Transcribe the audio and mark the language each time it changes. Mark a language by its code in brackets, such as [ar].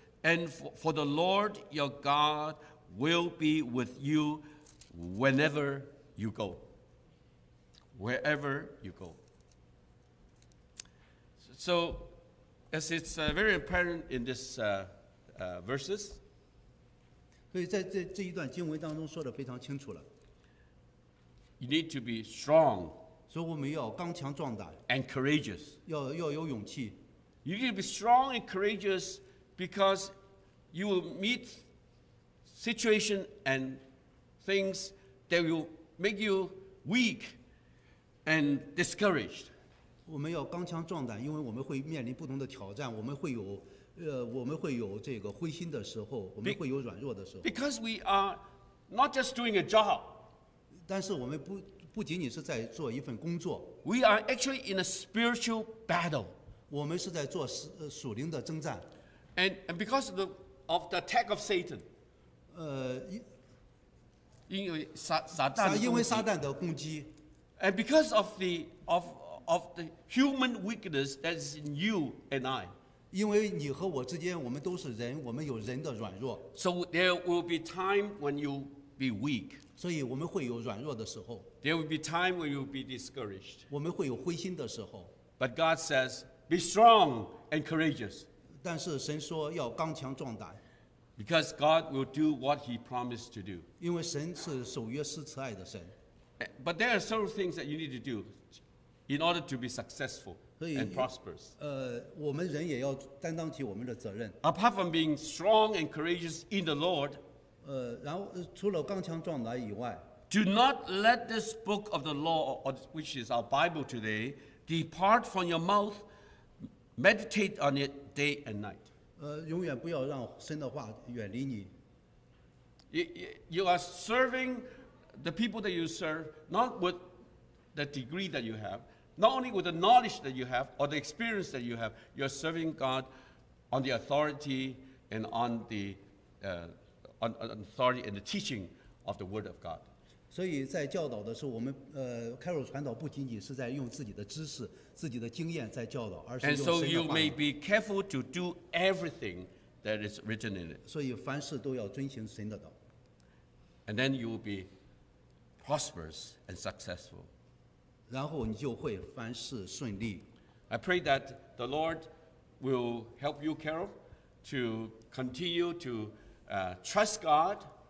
[en] And for the Lord your God will be with you whenever you go. Wherever you go. So, as it's very apparent in this verses, [zh] 所以在这一段经文当中说得非常清楚了。 [en] You need to be strong, so we need to be [zh] 刚强壮胆 [en] and courageous. [zh] 要有勇气 [en] You need to be strong and courageous because you will meet situation and things that will make you weak and discouraged. [zh] 我们要刚强壮胆，因为我们会面临不同的挑战，我们会有这个灰心的时候，我们会有软弱的时候。 [en] Because we are not just doing a job. [zh] 但是我们不仅仅是在做一份工作。 [en] We are actually in a spiritual battle. [zh] 我们是在做属灵的征战。 [en] And because of the attack of Satan. [zh] 因为撒旦的攻击。因为撒旦的攻击。 [en] And because of the human weakness that is in you and I. [zh] 因为你和我之间，我们都是人，我们有人的软弱。 [en] So there will be time when you be weak. [zh] 所以我们会有软弱的时候。 [en] There will be time when you will be discouraged. [zh] 我们会有灰心的时候。 [en] But God says, be strong and courageous. [zh] 但是神说要刚强壮胆。 [en] Because God will do what He promised to do. [zh] 因为神是守约施慈爱的神。 [en] But there are several things that you need to do in order to be successful and prosperous. [zh] 我们人也要担当起我们的责任。 [en] Apart from being strong and courageous in the Lord, [zh] 然后除了刚强壮胆以外 [en] Do not let this book of the law, which is our Bible today, depart from your mouth. Meditate on it day and night. [zh] 永远不要让神的话远离你。 [en] You are serving the people that you serve not with the degree that you have, not only with the knowledge that you have or the experience that you have. You are serving God on the authority and on the authority and the teaching of the Word of God. [zh] 所以在教导的时候，我们Carol 传道不仅仅是在用自己的知识、自己的经验在教导，而是用神的话语。 [en] And so you may be careful to do everything that is written in it. [zh] 所以凡事都要遵行神的道。 [en] And then you will be prosperous and successful. [zh] 然后你就会凡事顺利。 [en] I pray that the Lord will help you, Carol, to continue to trust God.